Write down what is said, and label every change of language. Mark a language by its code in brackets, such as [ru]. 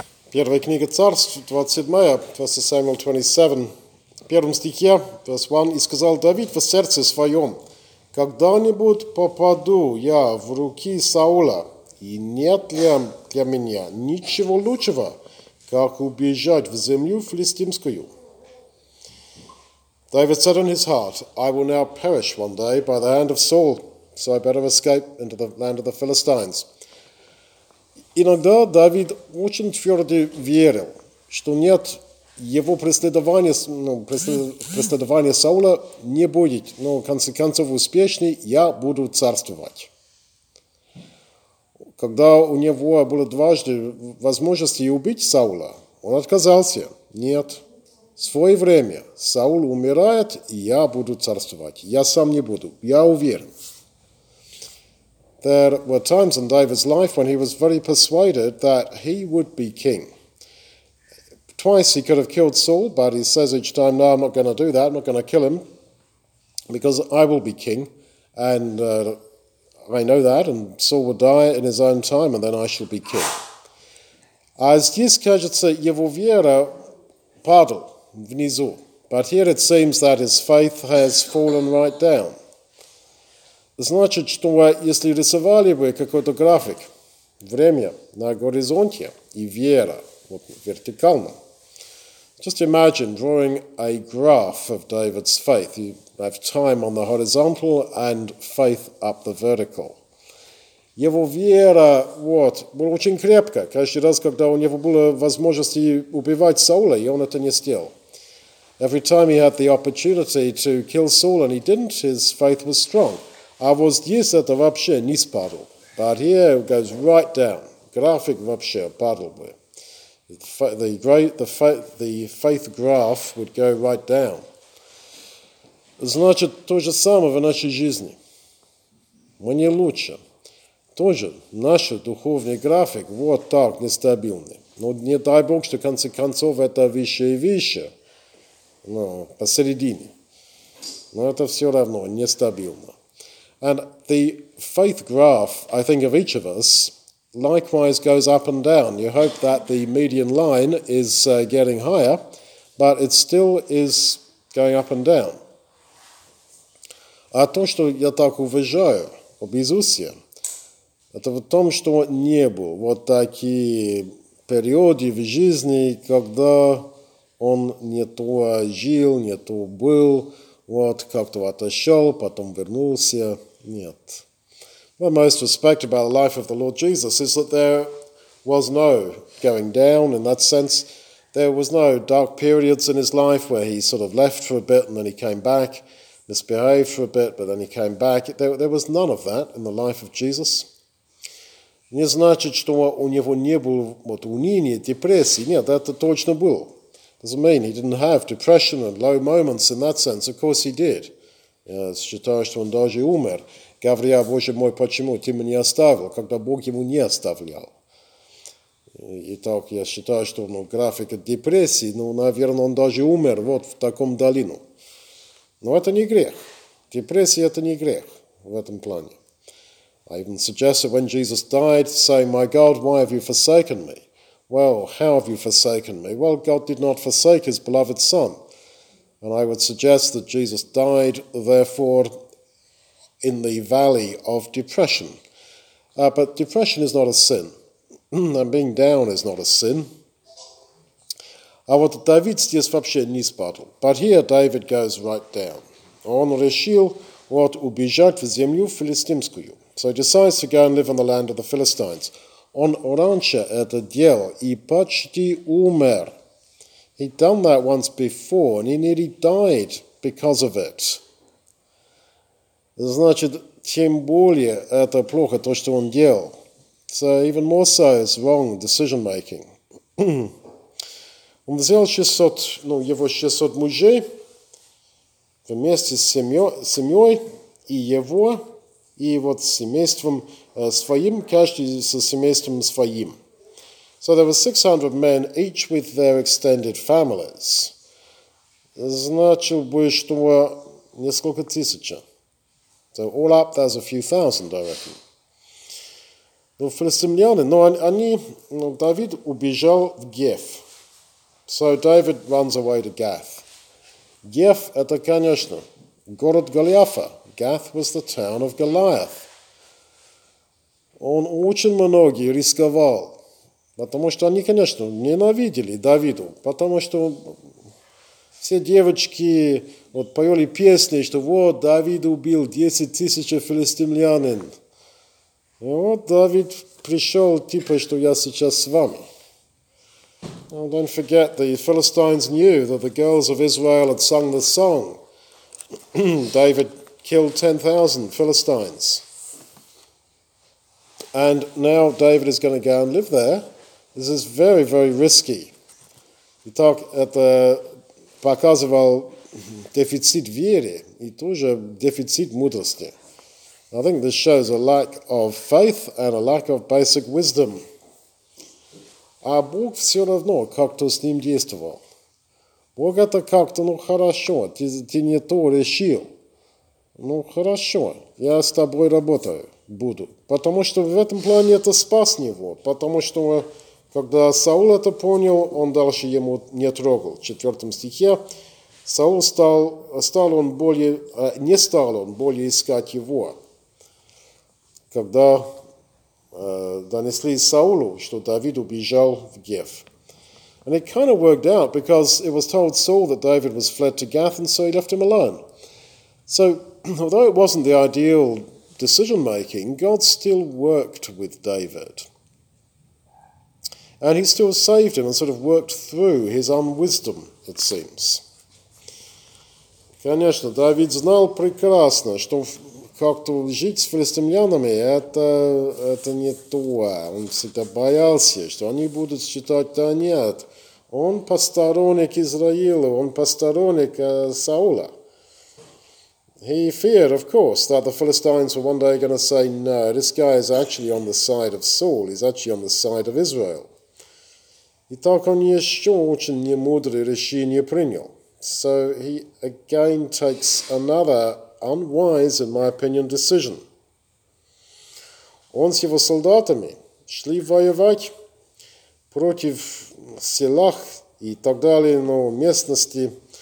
[ru] Первая книга Царств, 27, 27, 27, в первом стихе, 21, и сказал Давид в сердце своем, «Когда-нибудь попаду я в руки Саула, и нет ли для меня ничего лучшего, как убежать в землю филистимскую?» [en] David said in his heart, I will now perish one day by the hand of Saul, so I better escape into the land of the Philistines. [ru] Иногда Давид очень твердо верил, что нет, его преследование, ну, преследование Саула не будет, но в конце концов успешный, я буду царствовать. Когда у него было дважды возможности убить Саула, он отказался. Нет. В свое время Саул умирает, и я буду царствовать. Я сам не буду. Я уверен. [en] There were times in David's life when he was very persuaded that he would be king. Twice he could have killed Saul, but he says each time, no, I'm not going to do that. I'm not going to kill him because I will be king. And I know that, and Saul will die in his own time, and then I shall be king. [ru] А здесь, кажется, его вера падала. Внизу. [en] But here it seems that his faith has fallen right down. [ru] Значит, что если рисовали бы какой-то график, время на горизонте и вера вот, вертикально. [en] Just imagine drawing a graph of David's faith. You have time on the horizontal and faith up the vertical. [ru] Его вера вот, была очень крепкая. Каждый раз, когда у него было возможность убивать Саула, и он это не сделал. [en] Every time he had the opportunity to kill Saul and he didn't, his faith was strong. [ru] А вот здесь это вообще не спадло. [en] But here it goes right down. [ru] График вообще падло бы. [en] The faith graph would go right down. [ru] Значит, то же самое в нашей жизни. Мы не лучше. Тоже наш духовный график вот так нестабильный. Но не дай Бог, что в конце концов это выше и выше. Ну, посередине. Но это все равно нестабильно. [en] And the faith graph, I think, of each of us, likewise goes up and down. You hope that the median line is getting higher, but it still is going up and down. [ru] А то, что я так уважаю об Иисусе, это в том, что не было вот такие периоды в жизни, когда... Он не то жил, не то был, вот, как-то отошел, потом вернулся. Нет. [en] The most respect about the life of the Lord Jesus is that there was no going down in that sense. There was no dark periods in his life where he sort of left for a bit and then he came back, misbehaved for a bit, but then he came back. There was none of that in the life of Jesus. [ru] Не значит, что у него не было вот, уныния, депрессии. Нет, это точно было. [en] Doesn't mean he didn't have depression and low moments in that sense. Of course he did. [ru] Считаю, что он даже умер. Говоря, Боже мой, почему ты меня оставил, когда Бог ему не оставлял? Итак, я считаю, что ну, график депрессии, ну, наверное, он даже умер вот в таком долину. Но это не грех. Депрессия – это не грех в этом плане. [en] I even suggested when Jesus died, saying, my God, why have you forsaken me? Well, how have you forsaken me? Well, God did not forsake his beloved son. And I would suggest that Jesus died, therefore, in the valley of depression. But depression is not a sin. And being down is not a sin. [ru] А вот Давид здесь вообще не спадал. [en] But here David goes right down. [ru] Он решил вот убежать в землю филистимскую. [en] So he decides to go and live in the land of the Philistines. [ru] Он раньше это делал и почти умер. [en] He'd done that once before, and he nearly died because of it. [ru] Значит, тем более это плохо то, что он делал. [en] So even more so, it's wrong decision making. [ru] Он взял 600, ну, его 600 мужей вместе с семьей и его, и вот с семейством своим, каждый со семейством своим. [en] So there were 600 men, each with their extended families. [ru] Значило бы, что несколько тысяч. [en] So all up, there's a few thousand, I reckon. [ru] Ну, филистимляне, но они, ну, Давид убежал в Геф. [en] So David runs away to Gath. [ru] Геф – это, конечно, город Голиафа. [en] Gath was the town of Goliath. [ru] Он очень многие рисковал, потому что они, конечно, ненавидели Давиду, потому что все девочки вот поели песни, что вот Давид убил 10 тысяч филистимлянин. И вот Давид пришел, типа, что я сейчас с вами. [en] Well, don't forget, the Philistines knew that the girls of Israel had sung the song. David killed 10,000 Philistines. And now David is going to go and live there. This is very, very risky. [ru] Итак, это показывал дефицит веры и тоже дефицит мудрости. [en] I think this shows a lack of faith and a lack of basic wisdom. [ru] А Бог все равно как-то с ним действовал. Бог это как-то, ну хорошо, ты не то решил. Ну хорошо, я с тобой работаю. Буду. Потому что в этом плане это спас его. Потому что, когда Саул это понял, он дальше ему не трогал. В 4 стихе Саул не стал он более искать его. Когда донесли Саулу, что Давид убежал в Геф. [en] And it kind of worked out, because it was told Saul that David was fled to Gath, and so he left him alone. So, although it wasn't the ideal decision-making, God still worked with David. And he still saved him and sort of worked through his unwisdom, it seems. [ru] Конечно, Давид знал прекрасно, что как-то жить с филистимлянами – это не то. Он всегда боялся, что они будут считать, да нет. Он посторонник Израиля, он посторонник Саула. [en] He feared, of course, that the Philistines were one day going to say, no, this guy is actually on the side of Saul. He's actually on the side of Israel. [ru] И так он еще очень немудрое решение принял. [en] So he again takes another unwise, in my opinion, decision. [ru] Он с его солдатами шли воевать против селах и так далее, но местности.